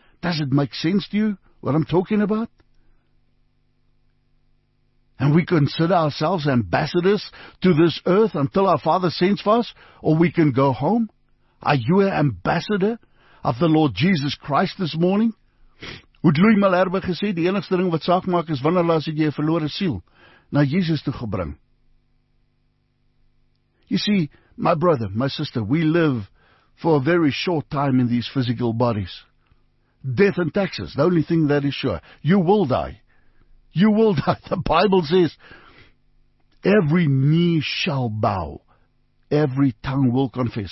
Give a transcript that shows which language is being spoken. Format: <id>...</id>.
<en>Does it make sense to you what I'm talking about? And we consider ourselves ambassadors to this earth until our Father sends for us, or we can go home? Are you an ambassador of the Lord Jesus Christ this morning?</en> <af>Het Louis Malherbe gesê, die enigste ding wat saak maak is wanneer laat het jy 'n verlore siel na Jesus toe gebring.</af> <en>You see, my brother, my sister, we live for a very short time in these physical bodies. Death and taxes, the only thing that is sure. You will die. You will die. The Bible says, every knee shall bow, every tongue will confess.</en>